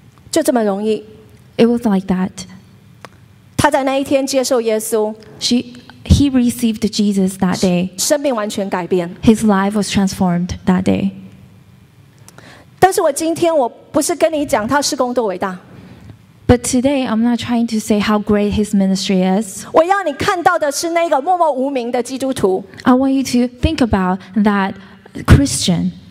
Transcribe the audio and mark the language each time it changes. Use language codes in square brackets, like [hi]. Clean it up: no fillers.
[zh] 就这么容易。 [en] It was like that. [zh] 他在那一天接受耶稣。 [en] He received Jesus that day. [zh] 生命完全改变。 [en] His life was transformed that day. [zh] 但是我今天我不是跟你讲他事工多伟大。 [en] But today, I'm not trying to say how great his ministry is. [zh] 我要你看到的是那个默默无名的基督徒。 [en] I want you to think about that Christian.